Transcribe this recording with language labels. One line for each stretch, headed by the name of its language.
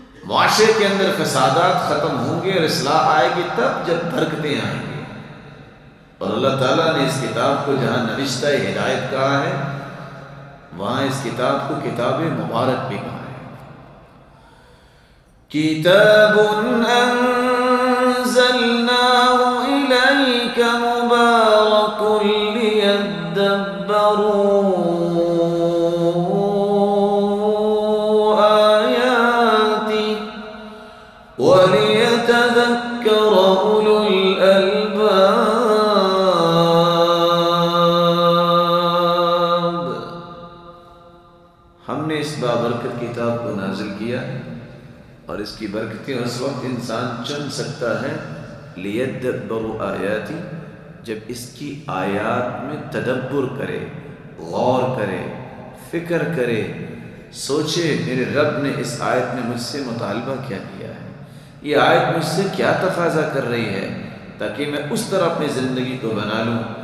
Urdu: معاشرے کے اندر فسادات ختم ہوں گے اور اصلاح آئے گی تب جب برکتیں آئیں گی. اور اللہ تعالیٰ نے اس کتاب کو جہاں نوشتہ ہدایت کہا ہے وہاں اس کتاب کو کتاب مبارک بھی کہا ہے.
Arabic: کتاب انزلناه الیک مبارک لیدبروا آیاتی ولیتذکر اولو الالباب.
Urdu: ہم نے اس بابرکت کتاب کو نازل کیا اور اس کی برکتیں اس وقت انسان چن سکتا ہے
Arabic: لیدبر آیاتی
Urdu: جب اس کی آیات میں تدبر کرے, غور کرے, فکر کرے, سوچے میرے رب نے اس آیت میں مجھ سے مطالبہ کیا کیا ہے, یہ آیت مجھ سے کیا تقاضا کر رہی ہے تاکہ میں اس طرح اپنی زندگی کو بنا لوں.